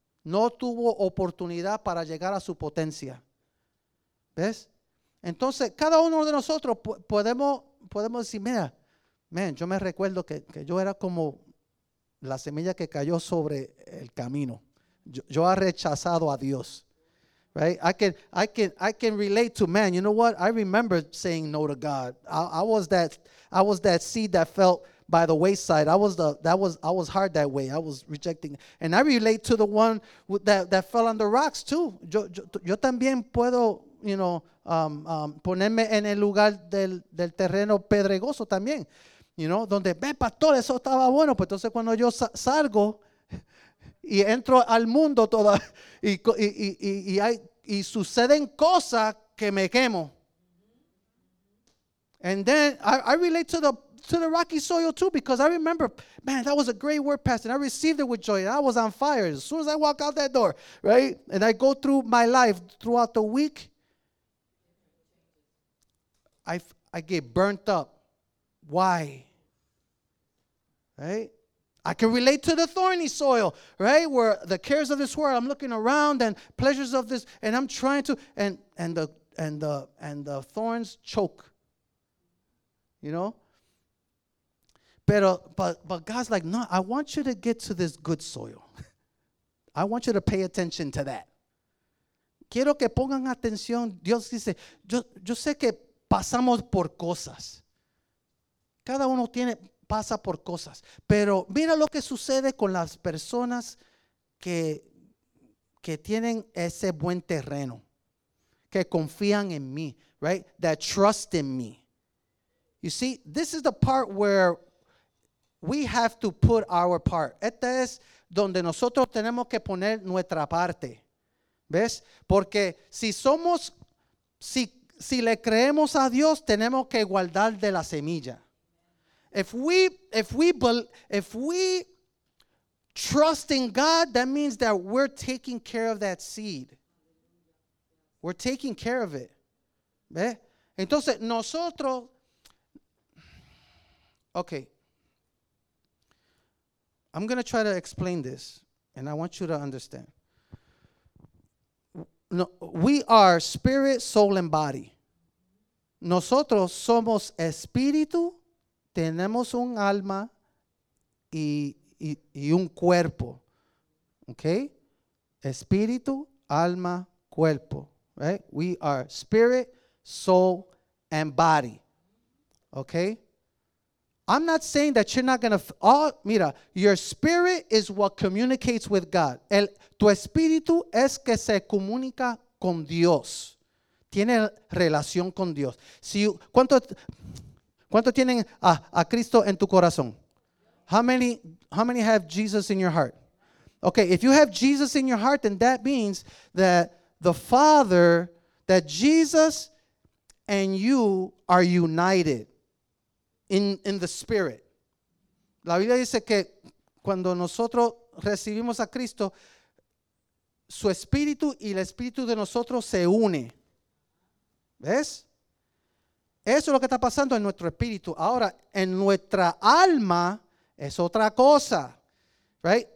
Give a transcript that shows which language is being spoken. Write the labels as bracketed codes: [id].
[es] No tuvo oportunidad para llegar a su potencia. ¿Ves? Entonces, cada uno de nosotros podemos decir, mira, man, yo me recuerdo que yo era como la semilla que cayó sobre el camino. Yo he rechazado a Dios. [en] Right? I can relate to, man, you know what? I remember saying no to God. I was that seed that felt by the wayside. I was hard that way. I was rejecting. And I relate to the one that fell on the rocks too. [es] Yo también puedo, [en] you know, [es] ponerme en el lugar del terreno pedregoso también. [en] You know, [es] donde, ve pastor, eso estaba bueno. Pues entonces cuando yo salgo y entro al mundo toda y suceden cosas que me quemo. [en] And then I relate to the to the rocky soil too, because I remember, man, that was a great word, Pastor, and I received it with joy, and I was on fire as soon as I walked out that door, right? And I go through my life throughout the week. I get burnt up. Why? Right? I can relate to the thorny soil, right? Where the cares of this world, I'm looking around and pleasures of this, and I'm trying to, and the thorns choke. You know? But God's like, no, I want you to get to this good soil. I want you to pay attention to that. [es] Quiero que pongan atención. Dios dice, yo sé que pasamos por cosas. Cada uno tiene. Pasa por cosas. Pero mira lo que sucede con las personas que tienen ese buen terreno, que confían en mí, [en] right? That trust in me. You see, this is the part where we have to put our part. [es] Esta es donde nosotros tenemos que poner nuestra parte. ¿Ves? Porque si somos, si le creemos a Dios, tenemos que guardar de la semilla. [en] If we trust in God, that means that we're taking care of that seed. We're taking care of it. [es] ¿Ve? Entonces, nosotros, [en] okay. I'm going to try to explain this, and I want you to understand. No, we are spirit, soul, and body. [es] Nosotros somos espíritu. Tenemos un alma y un cuerpo, okay? Espíritu, alma, cuerpo, right? [en] We are spirit, soul, and body, okay? I'm not saying that you're not going to, mira, your spirit is what communicates with God. [es] Tu espíritu es que se comunica con Dios. Tiene relación con Dios. ¿Cuánto tienen a Cristo en tu corazón? [en] How many have Jesus in your heart? Okay, if you have Jesus in your heart, then that means that the Father, that Jesus and you are united in the Spirit. [es] La Biblia dice que cuando nosotros recibimos a Cristo, su espíritu y el espíritu de nosotros se une. ¿Ves? Eso es lo que está pasando en nuestro espíritu. Ahora, en nuestra alma es otra cosa, [en] right?